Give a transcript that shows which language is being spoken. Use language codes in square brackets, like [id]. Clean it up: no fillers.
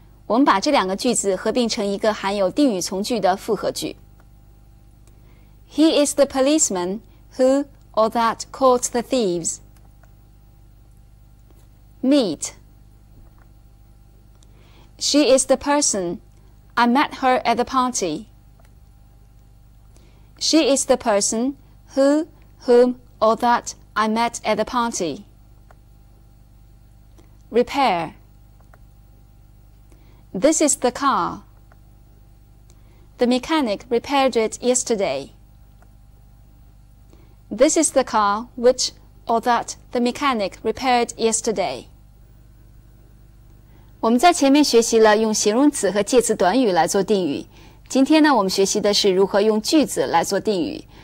[zh] 我们把这两个句子合并成一个含有定语从句的复合句。 [en] He is the policeman who or that caught the thieves. Meet. She is the person. I met her at the party. She is the person who, whom or that I met at the party. Repair. This is the car. The mechanic repaired it yesterday. This is the car which or that the mechanic repaired yesterday. [zh] 我们在前面学习了用形容词和介词短语来做定语。今天呢，我们学习的是如何用句子来做定语。